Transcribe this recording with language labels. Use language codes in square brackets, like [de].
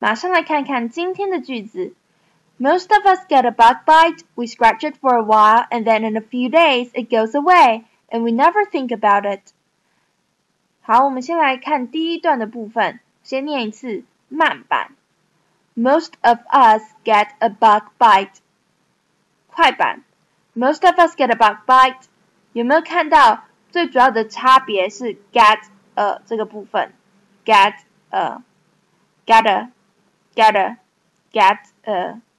[zh] 马上来看看今天的句子。 [en] Most of us get a bug bite, we scratch it for a while, and then in a few days it goes away, and we never think about it. [zh] 好，我们先来看第一段的部分，先念一次慢版。 [en] Most of us get a bug bite. [zh] 快版。 [en] Most of us get a bug bite. [zh] 有没有看到最主要的差别是 [en] get a [zh] 这个部分 [en] ？Get a, get a, get a, get a.